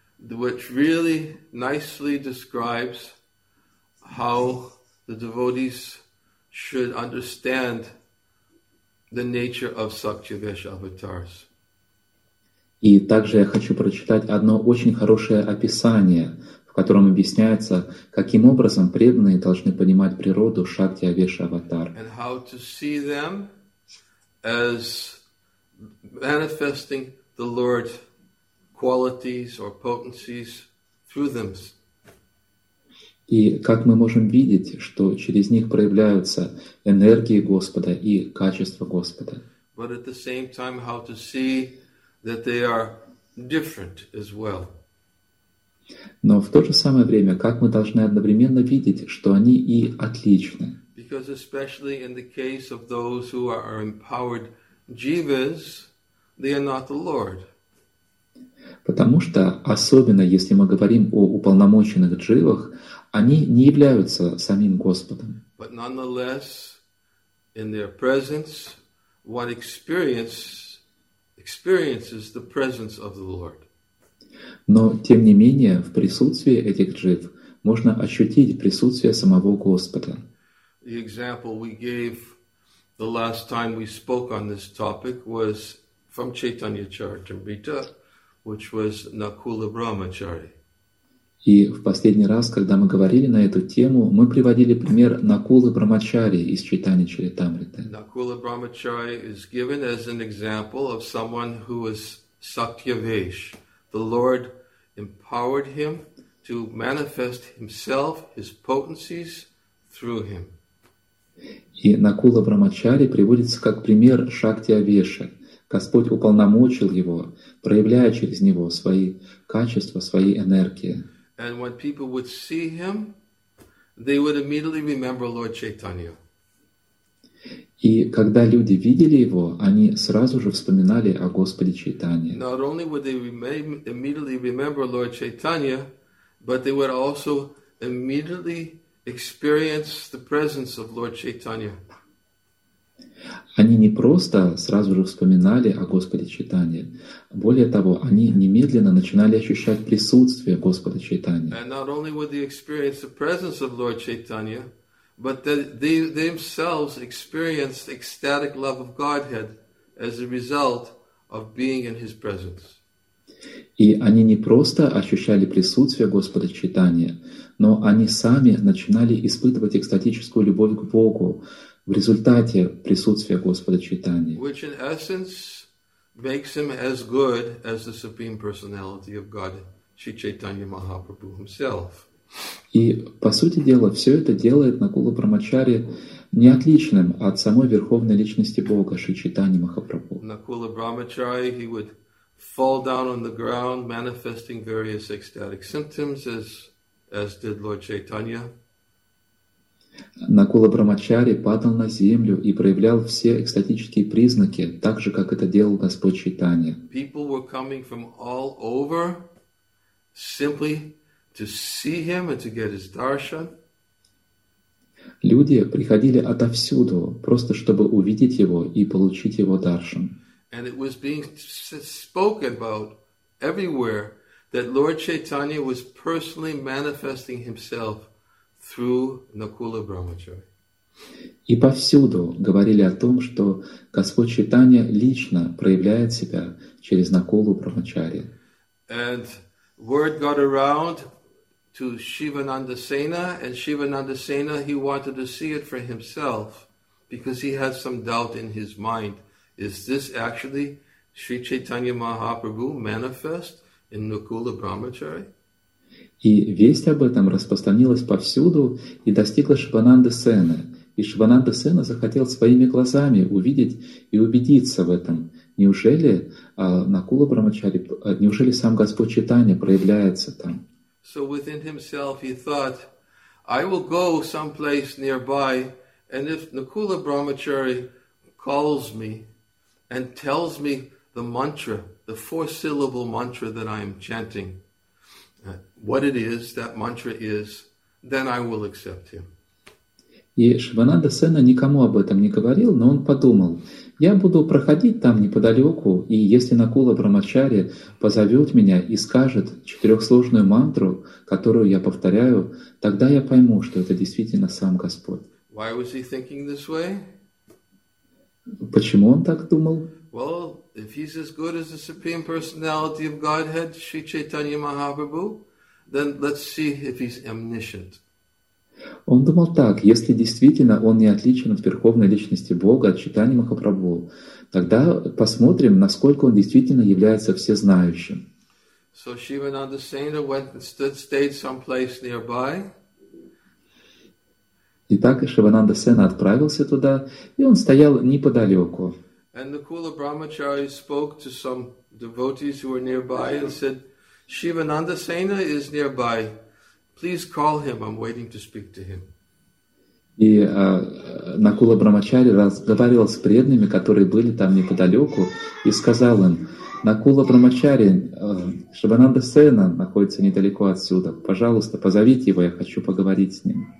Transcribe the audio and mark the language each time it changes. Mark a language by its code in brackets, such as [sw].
[en] which really nicely describes how the devotees should understand the nature of Sakyavesh avatars. [ru] И также я хочу прочитать одно очень хорошее описание, в котором объясняется, каким образом преданные должны понимать природу Шакти Авеша Аватар. [en] And how to see them as manifesting the Lord qualities or potencies through them. [ru] И как мы можем видеть, что через них проявляются энергии Господа и качества Господа. [en] But at the same time, how to see that they are different as well. [ru] Но в то же самое время, как мы должны одновременно видеть, что они и отличны. [en] Because especially in the case of those who are empowered jivas, they are not the Lord. [ru] Потому что, особенно если мы говорим о уполномоченных дживах, они не являются самим Господом. [en] But nonetheless, in their presence, one experiences the presence of the Lord. [ru] Но тем не менее, в присутствии этих джив можно ощутить присутствие самого Господа. [en] The example we gave the last time we spoke on this topic was from Chaitanya Charitamrita, which was Nakula Brahmachari. [ru] И в последний раз, когда мы говорили на эту тему, мы приводили пример Накулы Брамачари из Чайтани Чаритамриты. [en] Nakula Brahmachari is given as an example of someone who is Sakyavesh. The Lord empowered him to manifest himself, his potencies through him. [ru] И Накула Брамачари приводится как пример Шакти Авеша. Господь уполномочил его, проявляя через него свои качества, свои энергии. [en] And when people would see him, they would immediately remember Lord Chaitanya. [ru] И когда люди видели его, они сразу же вспоминали о Господе Чайтанье. [en] Not only would they immediately remember Lord Chaitanya, but they would also immediately experience the presence of Lord Chaitanya. [ru] Они не просто сразу же вспоминали о Господе Чайтанье. Более того, они немедленно начинали ощущать присутствие Господа Чайтанье. [en] And not only would they experience the presence of Lord Chaitanya, but they themselves experienced ecstatic love of Godhead as a result of being in His presence. [ru] И они не просто ощущали присутствие Господа Чайтанье, но они сами начинали испытывать экстатическую любовь к Богу, в результате присутствия Господа Чайтаньи. [en] Which in essence makes him as good as the Supreme Personality of God, Sri Chaitanya Mahaprabhu himself. [ru] И, по сути дела, все это делает Накула Брамачари неотличным от самой Верховной Личности Бога, Шри Чайтаньи Махапрабху. [en] Накула Брамачари, he would fall down on the ground, manifesting various ecstatic symptoms, as did Lord Chaitanya. [ru] Накула Брамачари падал на землю и проявлял все экстатические признаки, так же, как это делал Господь Чайтанья. [en] People were coming from all over simply to see him and to get his darshan. [ru] Люди приходили отовсюду, просто чтобы увидеть его и получить его даршан. [en] And it was being spoken about everywhere that Lord Chaitanya was personally manifesting himself through Nakula Brahmachari. [ru] И повсюду говорили о том, что Господь Чайтанья лично проявляет себя через Накулу Брамачари. [en] And word got around to Shivananda Sena, and Shivananda Sena, he wanted to see it for himself because he had some doubt in his mind. Is this actually Sri Chaitanya Mahaprabhu manifest in Nakula Brahmachari? [ru] И весть об этом распространилась повсюду и достигла Шивананды Сены. И Шивананда Сена захотел своими глазами увидеть и убедиться в этом. Неужели Накула Брамачари, неужели сам Господь Чайтанья проявляется там? [en] So within himself he thought, I will go someplace nearby, and if Nakula Brahmachari calls me and tells me the mantra, the four-syllable mantra that I am chanting, what it is, that mantra is, then I will accept him. [ru] И Шивананда Сена никому об этом не говорил, но он подумал, Я буду проходить там неподалеку, и если Накула Брамачари позовет меня и скажет четырехсложную мантру, которую я повторяю, тогда я пойму, что это действительно сам Господь. [en] Why was he thinking this way? [ru] Почему он так думал? [en] Well, if he's as good as the Supreme Personality of Godhead, Sri Chaitanya Mahaprabhu, then let's see if he's omniscient. [ru] Он думал так, если действительно он не отличен от Верховной Личности Бога, от Чайтаньи Махапрабху, тогда посмотрим, насколько он действительно является всезнающим. [en] So Shivananda Sena went and stayed someplace nearby. [ru] Итак, Шивананда Сена отправился туда, и он стоял неподалеку. [en] And Nakula Brahmachari spoke to some devotees who were nearby and said, Shivananda Sena is nearby. Please call him. I'm waiting to speak to him. [ru] И Накула Брамачари разговаривал с преданными, которые были там неподалеку, и сказал им: Накула Брамачари, Шивананда Сена находится недалеко отсюда. Пожалуйста, позовите его, я хочу поговорить с ним.